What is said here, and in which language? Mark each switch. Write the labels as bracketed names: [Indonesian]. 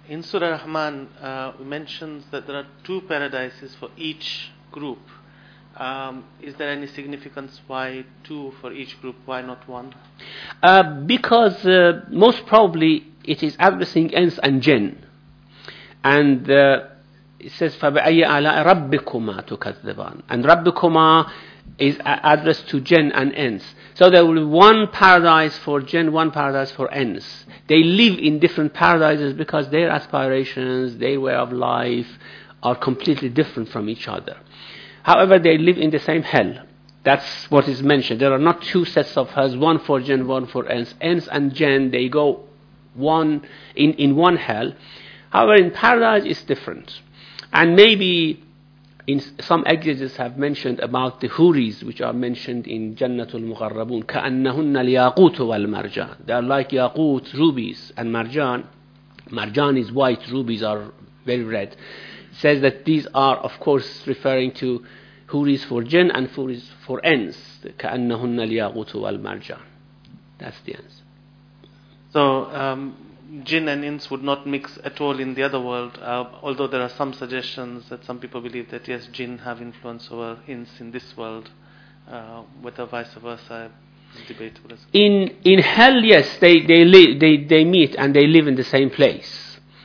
[English] In Surah Rahman, it mentions that there are two paradises for each group. Is there any significance why two for each group, why not one? Because most probably it is addressing ins and jinn. And it says, [Arabic] فَبِأَيَّ عَلَىٰ رَبِّكُمَا تُكَذِّبَانَ. [English] And رَبِّكُمَا is addressed to jinn and ins. So there will be one paradise for jinn, one paradise for ins. They live in different paradises because their aspirations, their way of life are completely different from each other. However, they live in the same hell. That's what is mentioned. There are not two sets of hells, one for jinn, one for ins. Ins and jinn, they go one hell. However, in paradise it's different. And maybe in some exegetes have mentioned about the huris, which are mentioned in Jannatul Mugharrabun, [Arabic] كأنهن الياقوت والمرجان. [English] They are like yaqut, rubies, and marjan. Marjan is white, rubies are very red. It says that these are, of course, referring to huris for jinn and huris for ins. [Arabic] كأنهن الياقوت والمرجان. [English] That's the answer. So, jinn and ins would not mix at all in the other world, although there are some suggestions that some people believe that yes, jinn have influence over ins in this world, whether vice versa is debatable. In hell, yes, they meet and they live in the same place.